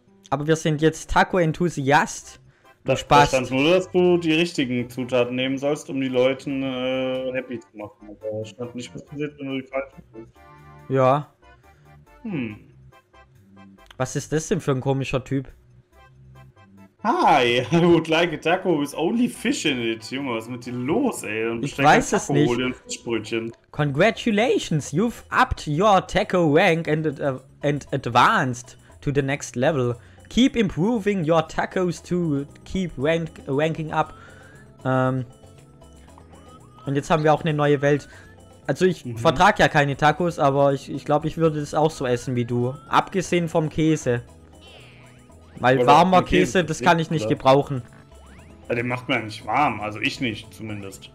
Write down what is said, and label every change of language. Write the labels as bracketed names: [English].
[German] Aber wir sind jetzt Taco-Enthusiast. Das Spaß. Da stand nur, dass du die richtigen Zutaten nehmen sollst, um die Leute happy zu machen. Aber es stand nicht, was passiert, wenn du die falschen willst. Ja. Was ist das denn für ein komischer Typ? [English] Hi, I would like a taco with only fish in it. [German] Junge, was ist mit dir los, ey? Und ich weiß es nicht. Und Fischbrötchen. [English] Congratulations, you've upped your taco rank and advanced to the next level. Keep improving your tacos to keep ranking up. [German] Und jetzt haben wir auch eine neue Welt. Also ich vertrage ja keine Tacos, aber ich glaube, ich würde das auch so essen wie du. Abgesehen vom Käse. Weil warmer Käse, das kann ich nicht gebrauchen. Ja, den macht man ja nicht warm, also ich nicht zumindest.